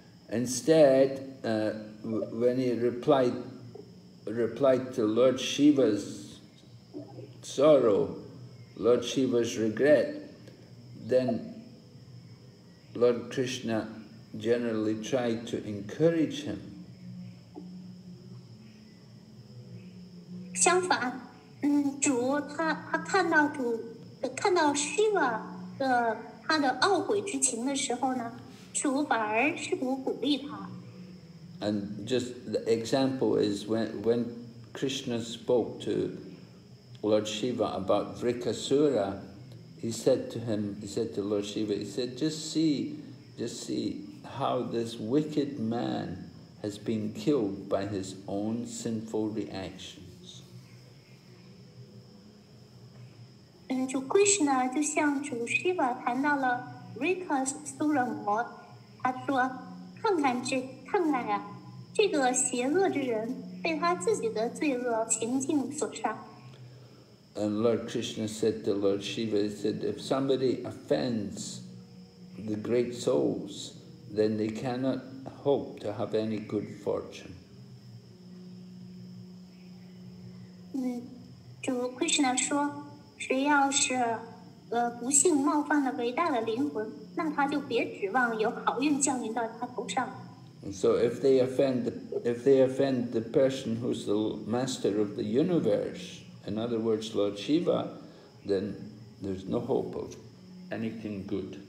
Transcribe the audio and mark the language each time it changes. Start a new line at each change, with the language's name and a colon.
English: Instead, when he replied to Lord Shiva's sorrow, Lord Shiva's regret, then Lord Krishna generally tried to encourage him.
Chinese: 相反，主他看到主看到 Shiva 的他的懊悔之情的时候呢，主反而试图鼓励他。
English: And just the example is when Krishna spoke to Lord Shiva about Vrikasura, he said to Lord Shiva, just see how this wicked man has been killed by his own sinful reaction.
Chinese: 主 Krishna 就向主 Shiva 谈到了 Vrikasura 魔，他说：“看看呀，这个邪恶之人被他自己的罪恶情境所杀。”
English: And Lord Krishna said to Lord Shiva, he said, "If somebody offends the great souls, then they cannot hope to have any good fortune."
Chinese: 主 Krishna 说。谁要是不幸冒犯了伟大的灵魂，那他就别指望有好运降临到他头上。
English: So if they offend the person who's the master of the universe, in other words, Lord Shiva, then there's no hope of anything good.